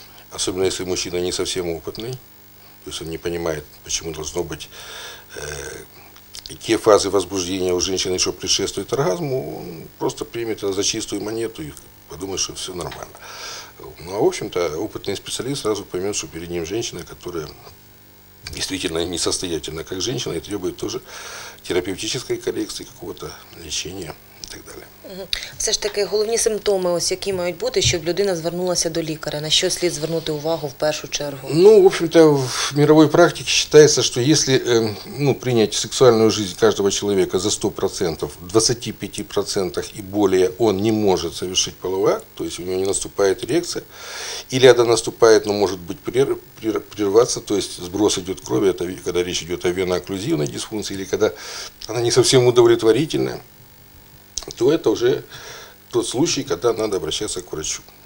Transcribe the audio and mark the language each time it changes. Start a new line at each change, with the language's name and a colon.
Russian: особенно если мужчина не совсем опытный, то есть он не понимает, почему должно быть, какие фазы возбуждения у женщины, что предшествует оргазму, он просто примет это за чистую монету и подумает, что все нормально. Ну, а в общем-то, опытный специалист сразу поймет, что перед ним женщина, которая действительно несостоятельна как женщина, и требует тоже терапевтической коррекции, какого-то лечения и так далее.
Ukrainian: Все ж таки, головні симптоми, ось які мають бути, щоб людина звернулася до лікаря, на що слід звернути увагу в першу чергу?
Russian: Ну, в общем-то, в мировой практике считается, что если принять сексуальную жизнь каждого человека за 100%, в 25% и более он не может совершить половой акт, то есть у него не наступает эрекция, или она наступает, но может быть прерваться, то есть сброс идет крови, это когда речь идет о венооклюзивной дисфункции, или когда она не совсем удовлетворительная, то это уже тот случай, когда надо обращаться к врачу.